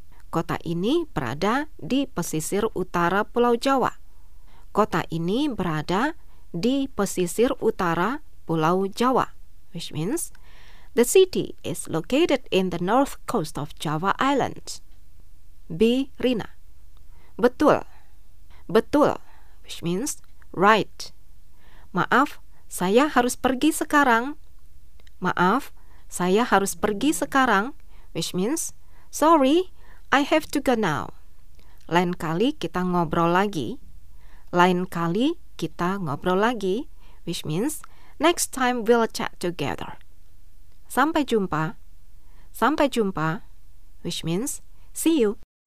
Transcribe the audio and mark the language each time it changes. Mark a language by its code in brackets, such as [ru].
[id] Kota ini berada di pesisir utara Pulau Jawa. Kota ini berada di pesisir utara Pulau Jawa, [en] which means the city is located in the north coast of Java Island. [id] B. Rina. Betul. Betul. [en] Which means, right. [id] Maaf, saya harus pergi sekarang. Maaf, saya harus pergi sekarang. [en] Which means, sorry, I have to go now. [id] Lain kali kita ngobrol lagi. Lain kali kita ngobrol lagi. [en] Which means, next time we'll chat together. [id] Sampai jumpa. Sampai jumpa, [en] which means See you.